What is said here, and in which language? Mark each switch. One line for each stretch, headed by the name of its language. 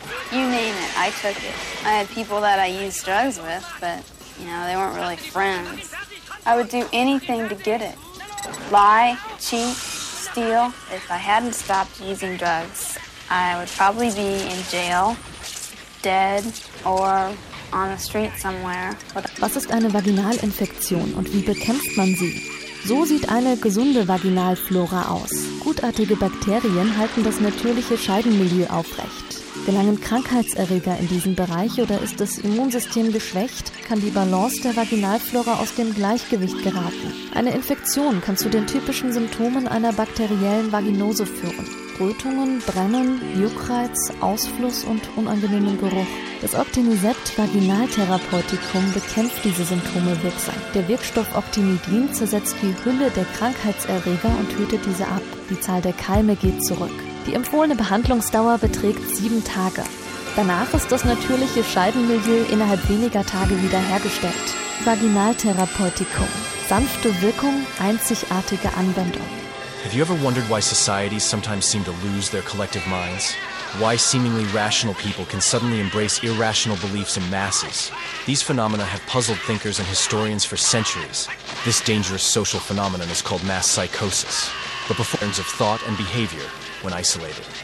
English: You name it, I took it. I had people that I used drugs with, but, you know, they weren't really friends. I would do anything to get it. Lie, cheat, steal. If I hadn't stopped using drugs, I would probably be in jail, dead, or on the street somewhere.
German: Was ist eine Vaginalinfektion und wie bekämpft man sie? So sieht eine gesunde Vaginalflora aus. Gutartige Bakterien halten das natürliche Scheidenmilieu aufrecht. Gelangen Krankheitserreger in diesen Bereich oder ist das Immunsystem geschwächt, kann die Balance der Vaginalflora aus dem Gleichgewicht geraten. Eine Infektion kann zu den typischen Symptomen einer bakteriellen Vaginose führen. Rötungen, Brennen, Juckreiz, Ausfluss und unangenehmen Geruch. Das Optinisept Vaginaltherapeutikum bekämpft diese Symptome wirksam. Der Wirkstoff Optinidin zersetzt die Hülle der Krankheitserreger und tötet diese ab. Die Zahl der Keime geht zurück. Die empfohlene Behandlungsdauer beträgt 7 Tage. Danach ist das natürliche Scheidenmilieu innerhalb weniger Tage wiederhergestellt. Vaginaltherapeutikum. Sanfte Wirkung, einzigartige Anwendung.
English: Have you ever wondered why societies sometimes seem to lose their collective minds? Why seemingly rational people can suddenly embrace irrational beliefs in masses? These phenomena have puzzled thinkers and historians for centuries. This dangerous social phenomenon is called mass psychosis. But before patterns of thought and behavior, when isolated.